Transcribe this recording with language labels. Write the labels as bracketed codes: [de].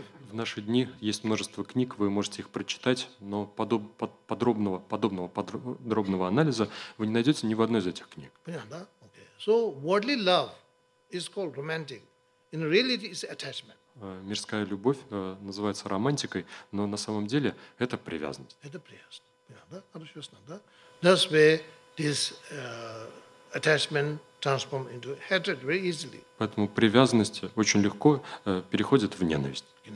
[ru] В наши дни есть множество книг, вы можете их прочитать, но подробного анализа вы не найдете ни в одной из этих книг. [en] So worldly love is called romantic. In reality, it's attachment. [ru] Мирская любовь называется романтикой, но на самом деле это привязанность. Это привязанность. Да? [en] That's where this attachment transforms into hatred very easily. [ru] Поэтому привязанность очень легко переходит в ненависть.